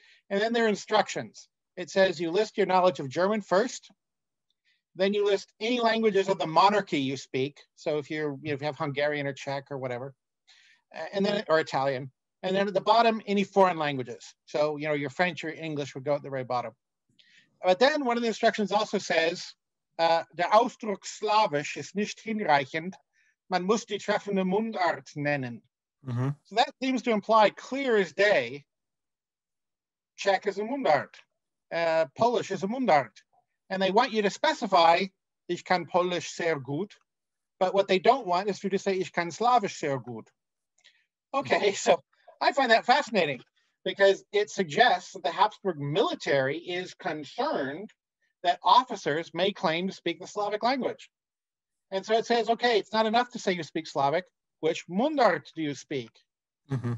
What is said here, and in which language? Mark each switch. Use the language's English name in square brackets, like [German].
[English] And then there are instructions. It says you list your knowledge of German first, then you list any languages of the monarchy you speak. So if you have Hungarian or Czech or whatever, and then, or Italian, and then at the bottom, any foreign languages. So, you know, your French or English would go at the very bottom. But then one of the instructions also says, [German] der Ausdruck Slavisch ist nicht hinreichend. Man muss die treffende Mundart nennen. Mm-hmm. [English] So that seems to imply clear as day, Czech is a Mundart. Polish is a Mundart. And they want you to specify, [German] ich kann Polish sehr gut. [English] But what they don't want is for you to say, [German] ich kann Slavisch sehr gut. [English] Okay, so I find that fascinating because it suggests that the Habsburg military is concerned that officers may claim to speak the Slavic language. And so it says, okay, it's not enough to say you speak Slavic, which Mundart do you speak? Mm-hmm.